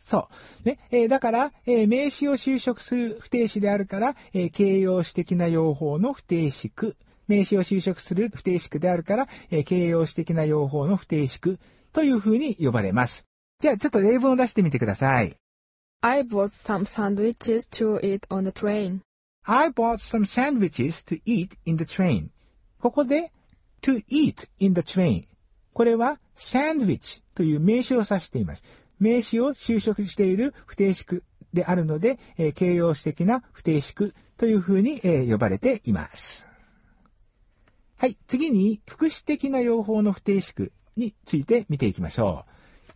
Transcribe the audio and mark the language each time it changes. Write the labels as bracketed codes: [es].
[ja] そう。ね。だから、名詞を修飾する不定式であるから、形容詞的な用法の不定式。名詞を修飾する不定式であるから、形容詞的な用法の不定式というふうに呼ばれます。じゃあ、ちょっと例文を出してみてください。 [en] I bought some sandwiches to eat on the train. I bought some sandwiches to eat in the train. [ja] ここで、 [en] to eat in the train。 [ja] これは、サンドイッチという名詞を指しています。名詞を修飾している不定式であるので、形容詞的な不定式というふうに、呼ばれています。はい、次に、副詞的な用法の不定式について見ていきましょう。